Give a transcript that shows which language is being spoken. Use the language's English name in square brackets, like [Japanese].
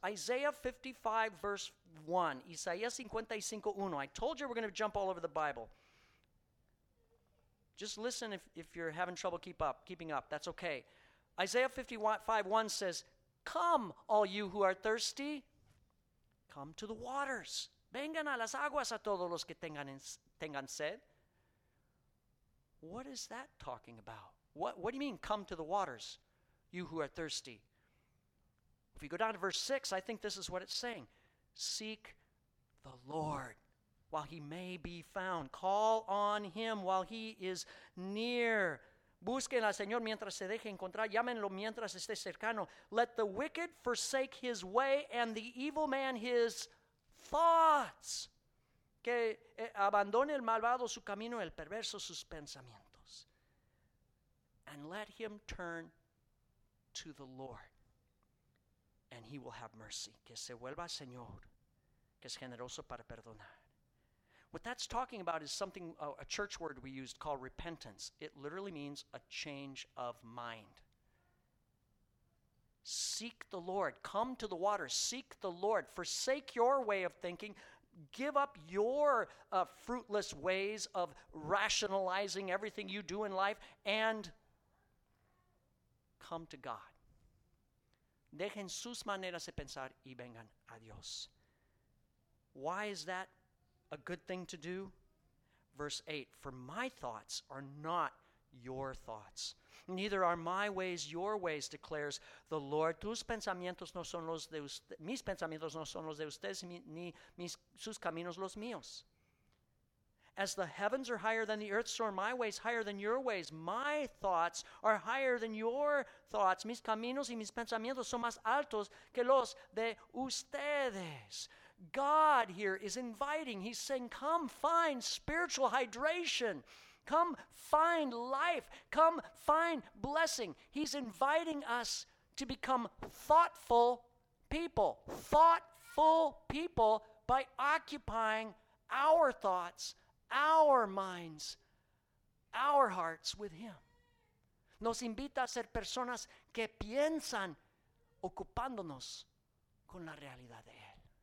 [English] Isaiah 55, verse 1. Isaías 55, 1. I told you we're going to jump all over the Bible. Just listen if you're having trouble keeping up. That's okay. Isaiah 55, 1 says, come, all you who are thirsty, come to the waters. [Spanish] Vengan a las aguas a todos los que tengan sed. [English] What is that talking about? What do you mean, come to the waters, you who are thirsty? If you go down to verse 6, I think this is what it's saying. Seek the Lord while He may be found. Call on Him while He is near. [Spanish] Busquen al Señor mientras se deje encontrar. Llámenlo mientras esté cercano. [English] Let the wicked forsake his way and the evil man his thoughts. [Spanish] Que abandone el malvado su camino, el perverso sus pensamientos. [English] and let him turn to the Lord, and he will have mercy. [Spanish] Que se vuelva al Señor, que es generoso para perdonar. [English] What that's talking about is something, a church word we used called repentance. It literally means a change of mind. Seek the Lord. Come to the water. Seek the Lord. Forsake your way of thinking. Give up your fruitless ways of rationalizing everything you do in life and come to God. [Spanish] Dejen sus maneras de pensar y vengan a Dios. [English] Why is that a good thing to do? Verse 8, for my thoughts are not your thoughts. Neither are my ways your ways, declares the Lord. [Spanish] Tus pensamientos no son los de usted, mis pensamientos no son los de ustedes, ni mis, sus caminos los míos. [English] As the heavens are higher than the earth, so are my ways higher than your ways. My thoughts are higher than your thoughts. [Spanish] Mis caminos y mis pensamientos son más altos que los de ustedes. [English] God here is inviting. He's saying, come find spiritual hydration. Come find life. Come find blessing. He's inviting us to become thoughtful people. Thoughtful people by occupying our thoughts, our minds, our hearts with him. [Spanish] Nos invita a ser personas que piensan ocupándonos con la realidad de él.